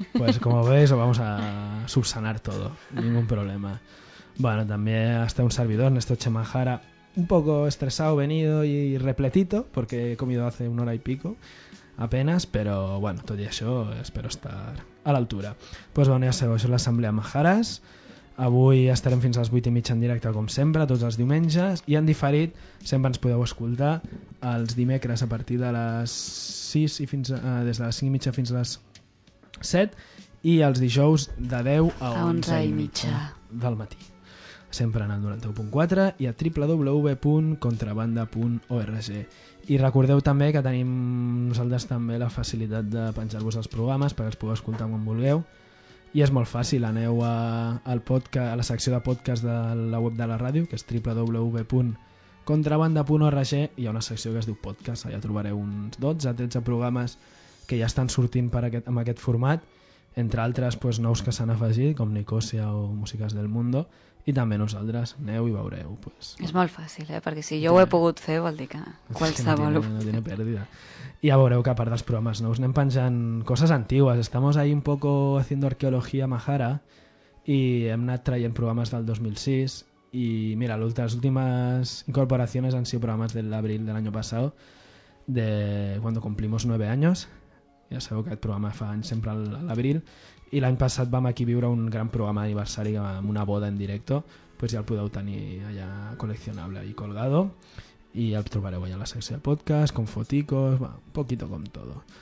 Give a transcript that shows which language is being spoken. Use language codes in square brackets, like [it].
[es] Pues como veis, vamos a subsanar todo. Ningún problema. Bueno, también hasta un servidor, Néstor Chemahara. Un poco estresado, venido y repletito, porque he comido hace una hora y pico. Apenas, pero bueno, todo eso, espero estar [ca] a l'altura. Pues bueno, ja sabeu, això és l'Assemblea Majares. Avui estarem fins a les 8:30 en directe, com sempre, tots els diumenges. I en diferit, sempre ens podeu escoltar els dimecres a partir de les 6 i fins a, des de les 5:30 fins a les 7. I els dijous de 10 a 11:30 del matí. Sempre en el 91.4 i a www.contrabanda.org. I recordeu també que tenim nosaltres també la facilitat de penjar-vos els programes perquè els pugueu escoltar quan vulgueu. I és molt fàcil, aneu a la secció de podcast de la web de la ràdio, que és www.contrabanda.org, i hi ha una secció que es diu podcast. Allà trobareu uns 12-13 programes que ja estan sortint per aquest, amb aquest format, entre altres pues, nous que s'han afegit, com Nicosia o Músiques del Mundo, i també nosaltres, aneu i veureu. Pues. És molt fàcil, eh? Perquè si jo ho he pogut fer, vol dir que qualsevol ho... [es] No tiene pèrdida. [ca] I ja veureu que a part dels programes nous anem penjant coses antigues. [es] Estamos ahí un poco haciendo arqueología [ca] majara i hem anat traient programes del 2006 i mira, les últimes incorporacions [es] han sido [ca] programes de l'abril de l'any passat, [es] de cuando cumplimos 9 años. [ca] Ja sabeu que aquest programa fa anys sempre a l'abril. I l'any passat vam aquí viure un gran programa d'aniversari amb una boda [es] en directo, [ca] pues ja el podeu tenir allà coleccionable i colgado, i el trobareu allà a la secció de podcast, [es] con foticos, bueno, un poquito com todo.